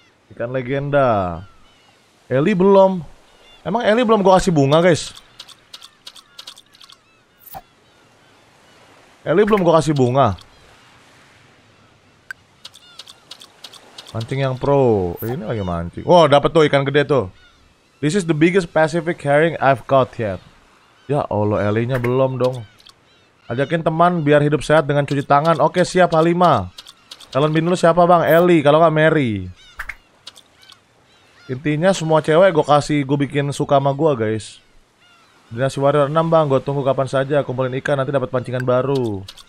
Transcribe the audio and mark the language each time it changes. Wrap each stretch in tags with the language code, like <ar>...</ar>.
<id>Ikan legenda. Ellie belum. Emang Ellie belum gue kasih bunga guys? Ellie belum gue kasih bunga. Mancing yang pro, ini lagi mancing. Wow, dapat tuh ikan gede tuh.</id> <en>This is the biggest Pacific herring I've caught yet.</en> <id>Ya Allah, Ellie-nya belum dong. Ajakin teman biar hidup sehat dengan cuci tangan. Oke, siap Halima. Calon bini lu siapa bang? Ellie, kalau nggak Mary. Intinya semua cewek gue kasih, gue bikin suka sama gue guys. Dinasti Warrior 6 bang, gue tunggu kapan saja. Kumpulin ikan, nanti dapat pancingan baru.</id>